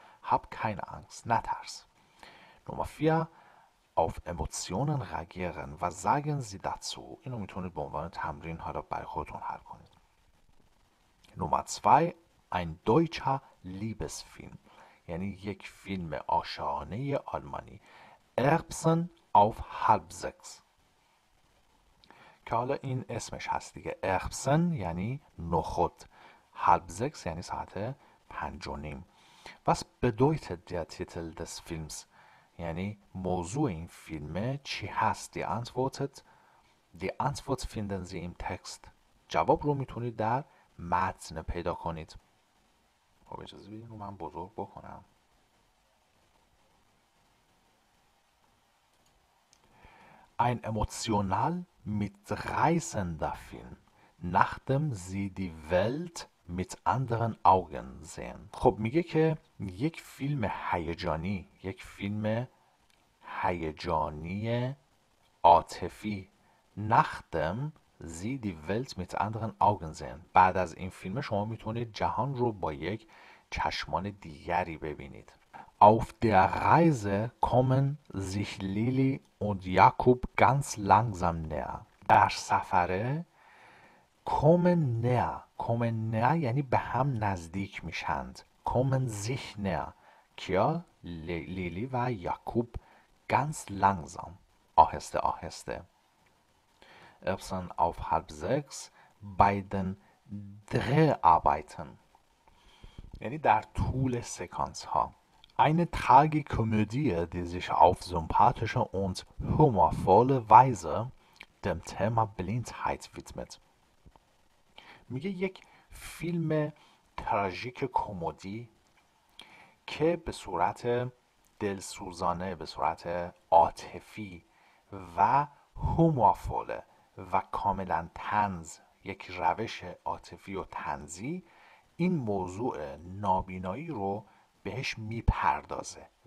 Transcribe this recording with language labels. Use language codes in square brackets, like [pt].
[de] Hab keine Angst. [fa] نترس. [de] Nummer 4. Auf Emotionen reagieren. Was sagen Sie dazu? [fa] اینو میتونید به عنوان تمرین حالا برای خودتون حل کنید. [de] Nummer 2. Ein deutscher Liebesfilm. [fa] یعنی یک فیلم عاشقانه آلمانی. [de] Erbsen auf halb sechs. [fa] که حالا این اسمش هست دیگه. [de] Erbsen [fa] یعنی نخود. [de] Halb sechs [fa] یعنی ساعت پنج و نیم. [de] Was bedeutet der Titel des Films? [fa] یعنی موضوع این فیلم چی هست؟ [de] Die Antwort finden Sie im Text. [fa] جواب رو میتونید در متن پیدا کنید. خب اجازه بدید من بزرگ بکنم. [de] Ein emotional mitreißender Film, nachdem Sie die Welt mit anderen Augen sehen. [fa] خب میگه که یک فیلم هیجانی، یک فیلم هیجانی عاطفی، [de] nachdem Sie die Welt mit anderen Augen sehen. [fa] بعد از این فیلم شما میتونید جهان رو با یک چشمان دیگری ببینید. [de] Auf der Reise kommen sich Lili und Jakob ganz langsam näher. [fa] در سفر [de] kommen näher [fa] یعنی به هم نزدیک میشند. [de] kommen sich näher. [fa] کیا؟ [de] لیلی و یعقوب. ganz langsam. [fa] آهسته آهسته. [de] Erbsen auf halb sechs. Beiden Dreharbeiten. Yani der Tule Sequenz ha. Eine Tragikomödie, die sich auf sympathische und humorvolle Weise dem Thema Blindheit widmet. Mir Filme tragische Komödie, [fa] که به صورت دلسوزانه، به صورت عاطفی و هومورفوله و کاملا طنز، یک روش عاطفی و طنزی این موضوع نابینایی رو بهش میپردازه.